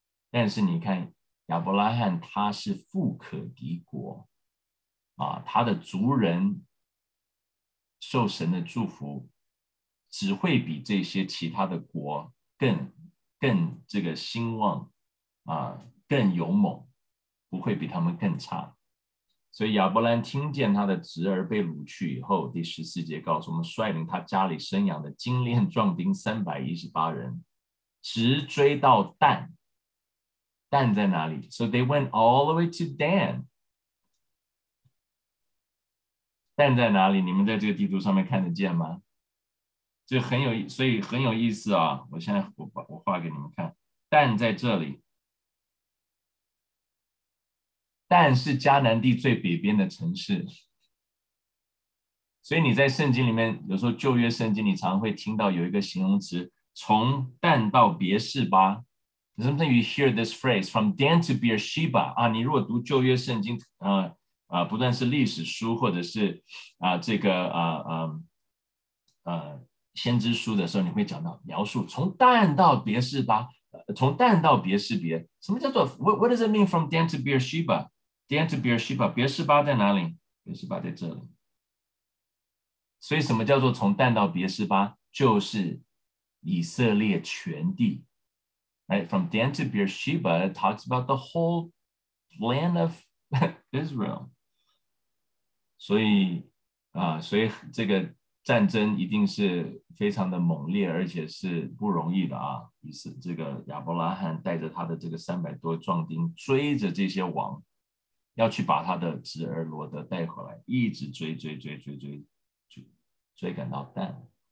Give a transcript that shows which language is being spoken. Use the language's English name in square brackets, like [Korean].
[Chinese] 但是你看亚伯拉罕他是富可敌国、啊、他的族人受神的祝福只会比这些其他的国更这个兴旺、更勇猛，不会比他们更差。所以亚伯兰听见他的侄儿被掳去以后，第十四节告诉我们，率领他家里生养的精练壮丁318人直追到但。但在哪里？ [English] So they went all the way to Dan。 [Chinese] 但在哪里？你们在这个地图上面看得见吗？就很有，所以很有意思啊！我现在我画给你们看，但在这里，但是迦南地最北边的城市。所以你在圣经里面，有时候旧约圣经你常会听到有一个形容词，从但到别是吧？ [English] Sometimes you hear this phrase from Dan to Beersheba 啊！ [Chinese] 你如果读旧约圣经，不论是历史书或者是这个先知书的时候，你会讲到描述从但到别是吧，从但到别是别，什么叫做 [English] what does it mean from Dan to Beersheba？ Dan to Beersheba， [Chinese] 别是吧在哪里？别是吧在这里。所以什么叫做从但到别是吧？就是以色列全地。 [English] Right, from Dan to Beersheba, it talks about the whole land of Israel. [Chinese] 所以这个战争一定是非常的猛烈，而且是不容易的啊。于是这个亚伯拉罕带着他的这个300多壮丁追着这些王，要去把他的侄儿罗德带回来，一直追追追追追追，追赶到但。